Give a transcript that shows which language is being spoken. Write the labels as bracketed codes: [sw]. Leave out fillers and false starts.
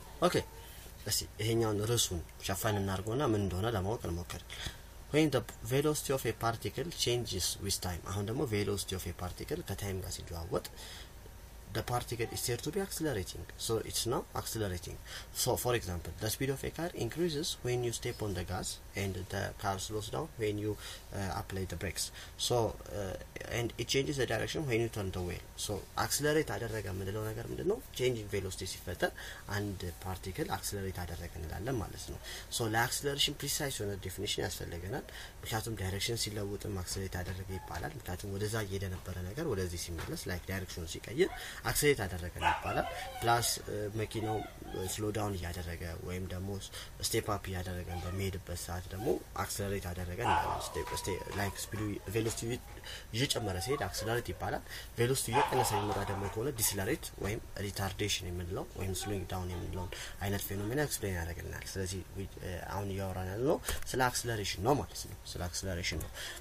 [en] okay [am] እሺ ይሄኛውን ርሱን ሸፋን እናርጎና ምን እንደሆነ ለማወቅ እንሞክር። [en] when the velocity of a particle changes with time [am] አሁን ደግሞ [en] velocity of a particle [am] ከታይም ጋር ሲለዋወጥ [en] the particle is said to be accelerating so it's now accelerating. so for example the speed of a car increases when you step on the gas and the car slows down when you apply the brakes so and it changes the direction when you turn the wheel. [am] so accelerate አደረገ ምንድነው ነገር ምንድነው change in velocity ሲፈጠር and particle accelerate አደረገ እንላለን ማለት ነው። [en] so the acceleration precise on the definition [am] ያስፈልገናል ምክንያቱም direction ሲለውጥ accelerate አደረገ ይባላል ምክንያቱም ወደዛ እየሄደ ነበር ነገር ወደዚህ ሲመለስ like direction ሲቀየር accelerate አደረገን ይባላል plus መኪናው slow down ያደረገ ወይም ደግሞ step up ያደረገን በሚሄድበት ሰዓት ደግሞ accelerate አደረገን ይባላል step like speed velocity ይጨመረ ሲሄድ accelerate ይባላል velocity ይቀንሳ ይመጣ ደግሞ ከሆነ decelerate ወይም retardation የምንለው ወይም [en] slowing down [am] የምንለው አይነት ፌኖሜና explain ያደረገናል ስለዚህ አሁን ያወራናል ነው ስለ acceleration ነው ማለት ነው ስለ acceleration ነው